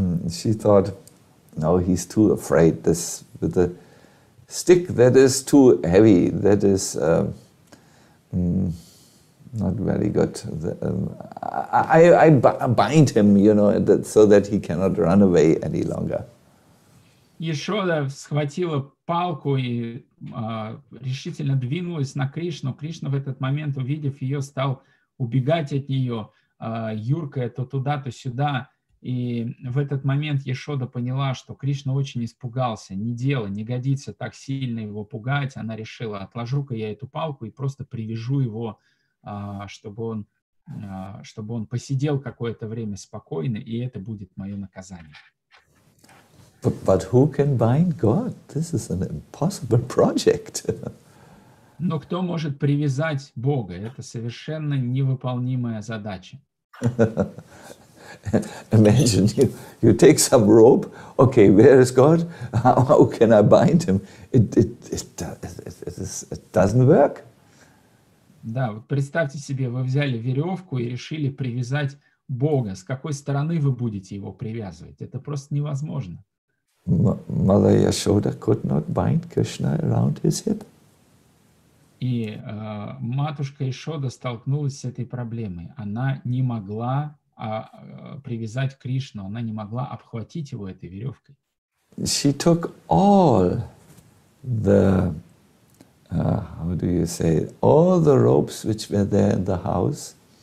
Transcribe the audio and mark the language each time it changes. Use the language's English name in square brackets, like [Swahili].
[English] she thought, no, he's too afraid. This with the stick, that is too heavy. That is not very good. I bind him, you know, that, so that he cannot run away any longer. [Russian] Ешода схватила палку и решительно двинулась на Кришну. Кришна в этот момент, увидев ее, стал убегать от нее, юркая то туда, то сюда. И в этот момент Ешода поняла, что Кришна очень испугался. Не дело, не годится так сильно его пугать. Она решила, отложу-ка я эту палку и просто привяжу его, чтобы он посидел какое-то время спокойно, и это будет мое наказание. [English] But who can bind God? This is an impossible project. [Russian] Но кто может привязать Бога? Это совершенно невыполнимая задача. [English] Imagine you take some rope. Okay, where is God? How can I bind him? It doesn't work. [Russian] Да, вот представьте себе, вы взяли веревку и решили привязать Бога. С какой стороны вы будете его привязывать? Это просто невозможно. [English] Mother Yashoda could not bind Krishna around his hip. [Russian] И матушка Ешода столкнулась с этой проблемой. Она не могла привязать Кришну, она не могла обхватить его этой веревкой. [English] She took all the all the ropes which were there in the house.